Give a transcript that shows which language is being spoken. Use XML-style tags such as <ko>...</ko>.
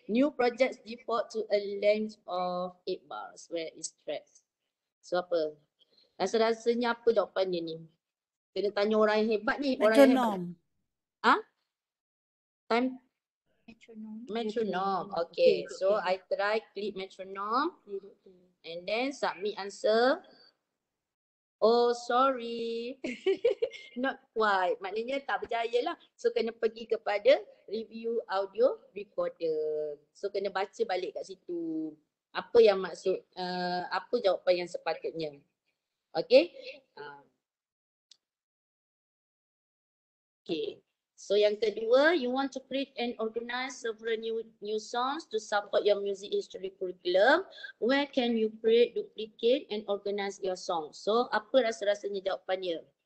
<en>New projects default to a length of 8 bars where it's tracked.</en> <ms>So apa? Rasa-rasanya apa jawapan dia ni? Kena tanya orang yang hebat ni.</ms> <en>Metronome. Ha? Time? Metronome. Okay. So I try click metronome. And then submit answer. Oh, sorry. Not quite.</en> <ms>Maknanya tak berjaya lah. So, kena pergi kepada review audio recorder. So, kena baca balik kat situ. Apa yang maksud, apa jawapan yang sepatutnya.</ms> <en>Okay. Okay. So,</en> <ms>yang kedua,</ms> <en>you want to create and organize several new songs to support your music history curriculum. Where can you create, duplicate and organize your songs?</en> <ms>So, apa rasa-rasanya jawapannya?</ms>